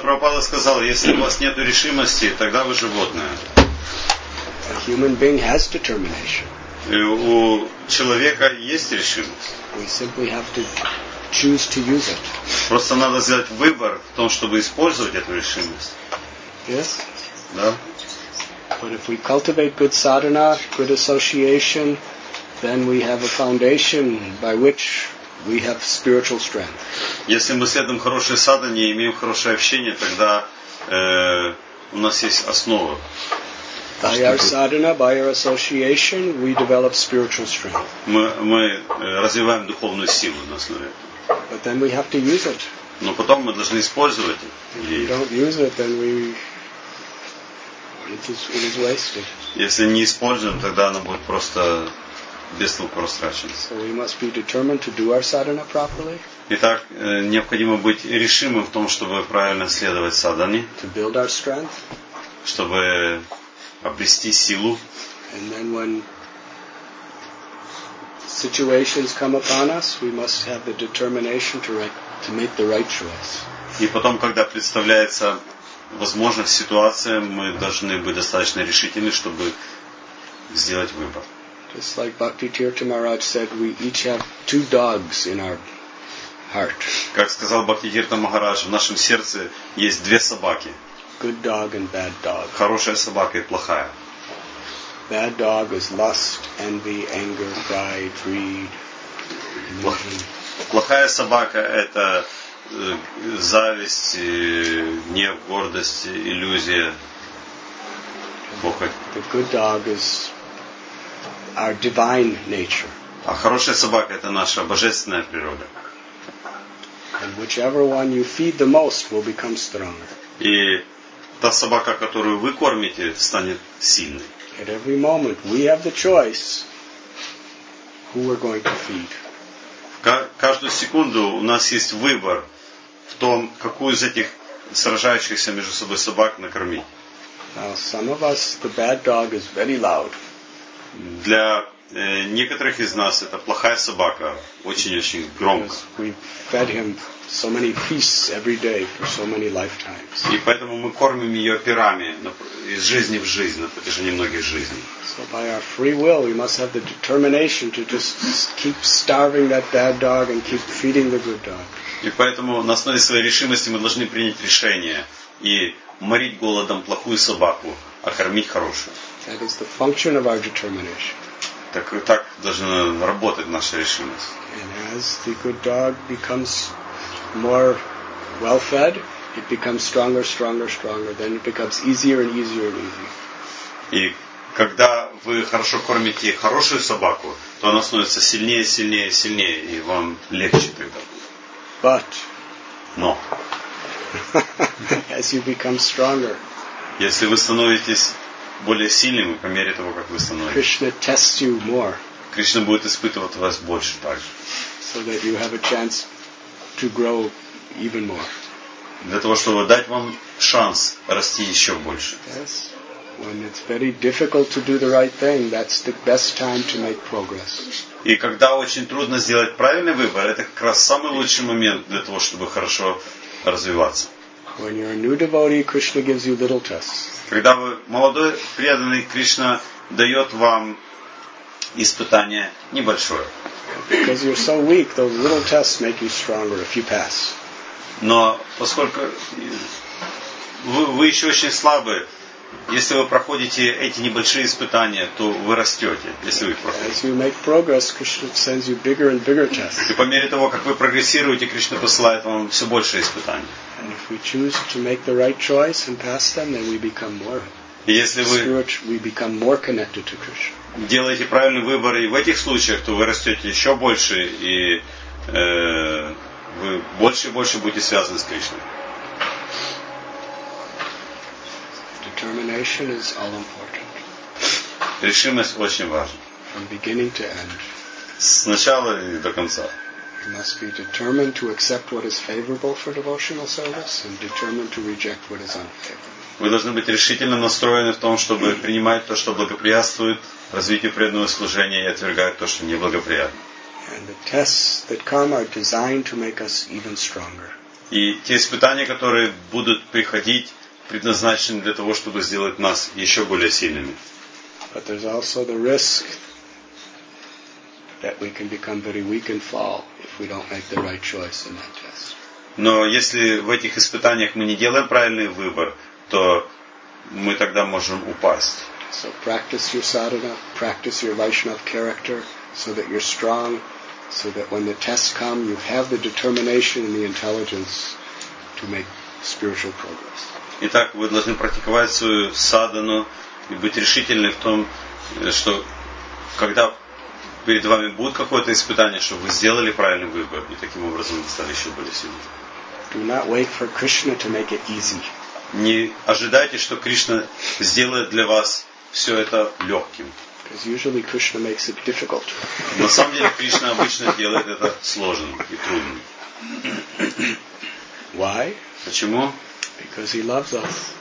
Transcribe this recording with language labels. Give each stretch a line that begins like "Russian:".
Russian: Прабхупада сказал, если у вас нет решимости, тогда вы животное.
English: A human being has determination.
Russian: У человека есть решимость.
English: We simply have to choose to use it.
Russian: Просто надо сделать выбор в том, чтобы использовать эту решимость.
English: Yes.
Russian: Да.
English: But if we cultivate good sadhana, good association, then we have a foundation by which we have spiritual strength.
Russian: Если мы следуем хорошей садхане и имеем хорошее общение, тогда у нас есть основа.
English: By our sadhana, by our association, we develop spiritual strength.
Russian: Мы развиваем духовную силу на основе этого.
English: But then we have to use it.
Russian: Но потом мы должны использовать ее.
English: If we don't use it, then we It is wasted.
Russian: Если не используем, тогда она будет просто без толку растрачена.
English: So we must be determined to do our sadhana properly.
Russian: Итак, необходимо быть решимым в том, чтобы правильно следовать садхане.
English: To build our strength.
Russian: Чтобы обрести силу.
English: And then when situations come upon us, we must have the determination to make the right choice.
Russian: И потом, когда представляется возможно, в ситуации мы должны быть достаточно решительны, чтобы сделать выбор.
English: Just like Bhakti Tirtha Maharaj said, we each have two dogs in our heart.
Russian: Как сказал Бхакти Тирта Махарадж, в нашем сердце есть две собаки.
English: Good dog and bad dog.
Russian: Хорошая собака и плохая.
English: Bad dog is lust, envy, anger, pride, greed.
Russian: Плохая собака это зависть, гнев, гордость, иллюзия, похоть.
English: The good dog is our divine nature.
Russian: А хорошая собака – это наша божественная природа.
English: And whichever one you feed the most will become stronger.
Russian: И та собака, которую вы кормите, станет сильной.
English: At every moment we have the choice who we're going to feed.
Russian: Каждую секунду у нас есть выбор в том, какую из этих сражающихся между собой собак накормить.
English: Now, some of us, the bad dog is very loud.
Russian: для некоторых из нас это плохая собака, очень-очень громко.
English: We fed him so many feasts every day for so many lifetimes.
Russian: И поэтому мы кормим ее пирами из жизни в жизнь на протяжении многих жизней.
English: So by our free will, we must have the determination to just keep starving that bad dog and keep feeding the good dog.
Russian: И поэтому на основе своей решимости мы должны принять решение и морить голодом плохую собаку, а кормить хорошую.
English: That is the function of our determination.
Russian: Так, так должна работать наша решимость.
English: And as the good dog becomes more well-fed, it becomes stronger, stronger, stronger. Then it becomes easier and easier and easier.
Russian: И когда вы хорошо кормите хорошую собаку, то она становится сильнее, сильнее, сильнее, и вам легче тогда.
English: But.
Russian: Но.
English: As you become stronger.
Russian: Если вы становитесь более сильным по мере того, как вы становитесь.
English: Krishna tests you more.
Russian: Кришна будет испытывать вас больше также.
English: So that you have a chance to grow even more.
Russian: Для того, чтобы дать вам шанс расти еще больше.
English: Yes. When it's very difficult to do the right thing, that's the best time to make progress.
Russian: И когда очень трудно сделать правильный выбор, это как раз самый лучший момент для того, чтобы хорошо развиваться.
English: When you're a new devotee, Krishna gives you little tests.
Russian: Когда вы молодой преданный, Кришна дает вам испытание небольшое.
English: Because you're so weak, those little tests make you stronger if you pass.
Russian: Но поскольку вы еще очень слабы, если вы проходите эти небольшие испытания, то вы растете, если вы их проходите.
English: As you make progress, Krishna sends you bigger and bigger tests.
Russian: И по мере того, как вы прогрессируете, Кришна посылает вам все больше испытаний.
English: And if we choose to make the right choice and pass them, then we become more.
Russian: И если вы
English: we become more connected to Krishna.
Russian: Делаете правильный выбор, и в этих случаях, то вы растете еще больше, и вы больше и больше будете связаны с Кришной.
English: Determination is all important.
Russian: Решимость очень важна.
English: From beginning to end.
Russian: С начала и до конца.
English: You must be determined to accept what is favorable for devotional service and determined to reject what is unfavorable.
Russian: Вы должны быть решительно настроены в том, чтобы принимать то, что благоприятствует развитию преданного служения и отвергать то, что неблагоприятно.
English: And the tests that come are designed to make us even stronger.
Russian: И те испытания, которые будут приходить, предназначены для того, чтобы сделать нас еще более сильными.
English: But there's also the risk that we can become very weak and fall if we don't make the right choice in that test.
Russian: Но если в этих испытаниях мы не делаем правильный выбор, то мы тогда можем упасть.
English: So practice your sadhana, practice your Vaishnava character so that you're strong, so that when the tests come, you have the determination and the intelligence to make spiritual progress.
Russian: Итак, вы должны практиковать свою садхану и быть решительны в том, что когда перед вами будет какое-то испытание, чтобы вы сделали правильный выбор и таким образом стали еще более сильными.
English: Do not wait for Krishna to make it easy.
Russian: Не ожидайте, что Кришна сделает для вас все это легким.
English: Because usually Krishna makes it difficult.
Russian: На самом деле Кришна обычно делает это сложным и трудным.
English: Why?
Russian: Почему?
English: Because he loves us.